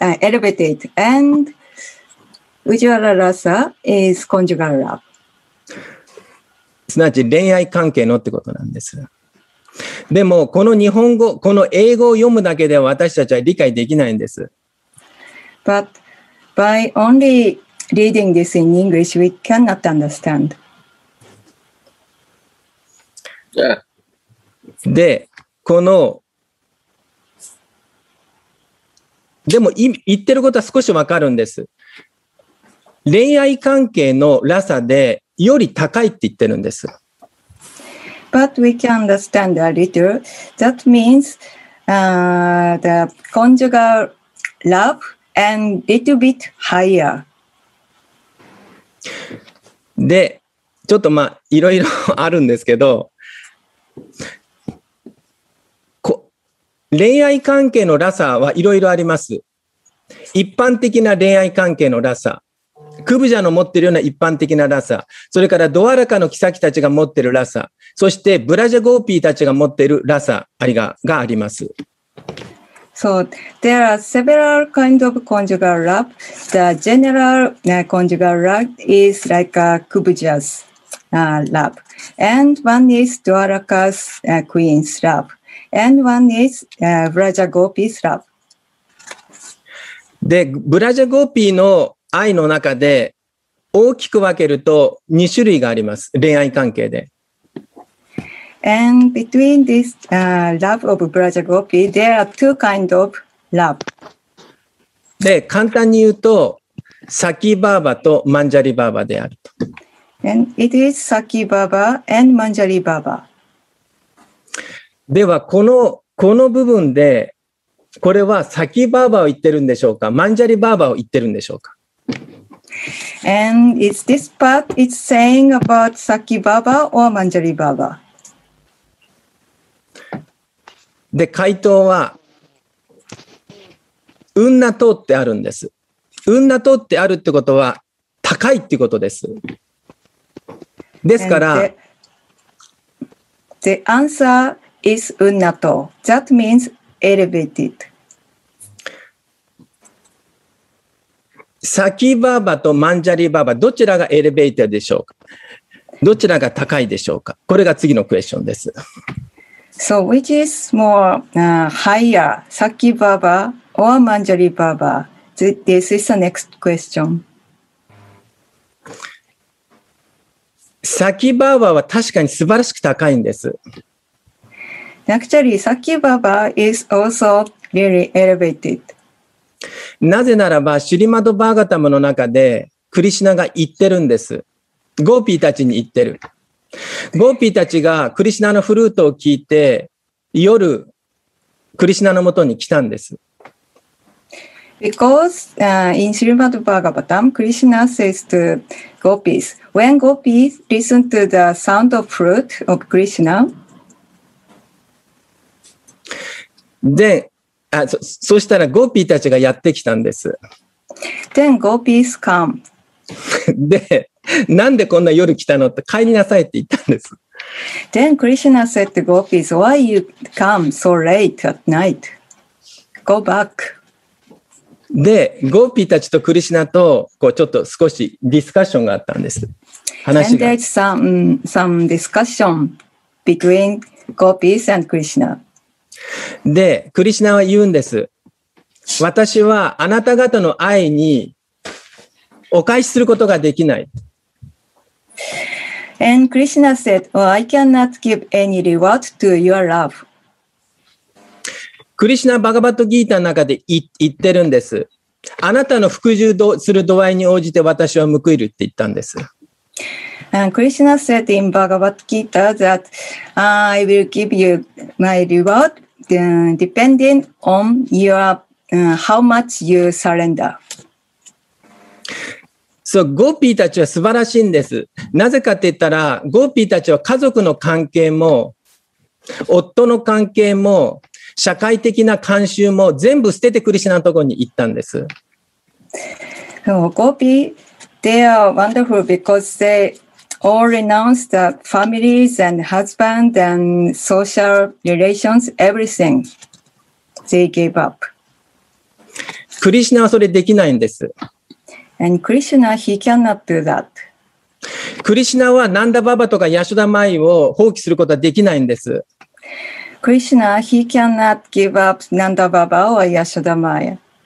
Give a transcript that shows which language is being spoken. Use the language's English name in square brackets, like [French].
[English] エレベイテッド。And ウジワララサ is conjugal love. [Japanese] すなわち恋愛関係のってことなんです。でもこの日本語、この英語を読むだけでは私たちは理解できないんです。 [English] But by only reading this in English, we cannot understand. Yeah. [Japanese] で、この、でも言ってることは少しわかるんです。恋愛関係のラサでより高いって言ってるんです。 [English] But we can understand a little. That means, the conjugal love. And little bit higher. [Japanese] で、ちょっとまあいろいろあるんですけど、恋愛関係のラサはいろいろあります。一般的な恋愛関係のラサ、クブジャの持ってるような一般的なラサ、それからドワラカのキサキたちが持ってるラサ、そしてブラジャゴーピーたちが持ってるラサがあります。 [English] So there are several kinds of conjugal love. The general conjugal love is like a Kubuja's love. And one is Dwaraka's queen's love. And one is Vrajagopi's love. [Japanese] で、Vrajagopi の愛の中で大きく分けると2種類があります。恋愛関係で。 [English] And between this love of Vrajagopi, there are two kinds of love. [Japanese] で、簡単に言うと、サキバーバとマンジャリバーバであると。 [English] And it is Saki Baba and Manjari Baba. [Japanese] では、この部分で、これはサキバーバを言ってるんでしょうか、マンジャリバーバを言ってるんでしょうか。 [English] And is this part it's saying about Saki Baba or Manjari Baba? [Japanese] で、回答は、ウンナトってあるんです。ウンナトってあるってことは、高いってことです。ですから、 [English] the answer is ウンナト。That means elevated. [Japanese] サキバーバとマンジャリバーバ、どちらがエレベーターでしょうか？どちらが高いでしょうか？これが次のクエスチョンです。 [English] So which is more higher, Saki Baba or Manjari Baba? This is the next question. [Japanese] Saki Baba は確かに素晴らしく高いんです。 [English] Actually, Sakya Baba is also really elevated. [Japanese] なぜならば、シュリマドバーガタムの中で、クリシナが言ってるんです。ゴーピーたちに言ってる。ゴーピーたちがクリシナのフルートを聞いて、夜、クリシナのもとに来たんです。 [English] Because, in Srimad Bhagavatam, Krishna says to gopis, when gopis listen to the sound of flute of Krishna. [Japanese] で、あ、そしたらゴーピーたちがやってきたんです。 [English] Then gopis come. [Japanese] で、なんでこんな夜来たのって帰りなさいって言ったんです。 [English] Then Krishna said to gopis, why you come so late at night? Go back. [Japanese] で、ゴーピーたちとクリシナと、こう、ちょっと少しディスカッションがあったんです。話が。 [English] And there's some discussion between gopis and Krishna. [Japanese] で、クリシナは言うんです。私はあなた方の愛にお返しすることができない。 [English] And Krishna said, well, I cannot give any reward to your love. [Japanese] クリシナバガバットギータの中で言ってるんです。あなたの服従する度合いに応じて私は報いるって言ったんです。 [English] クリシナ said in Bhagavad Gita that I will give you my reward depending on your, how much you surrender. [Japanese] So, ゴーピーたちは素晴らしいんです。なぜかって言ったら、ゴーピーたちは家族の関係も、夫の関係も、社会的な慣習も全部捨ててクリシナのところに行ったんです。 [English] ゴピー、they are wonderful because they all renounce the families and husband and social relations, everything they gave up. [Japanese] クリシナはそれできないんです。 [English] And Krishna, he cannot do that. [Japanese] クリシナはナンダババとかヤシュダマイを放棄することはできないんです。 [English] Krishna, he cannot give up Nanda Baba or Yashoda Maya.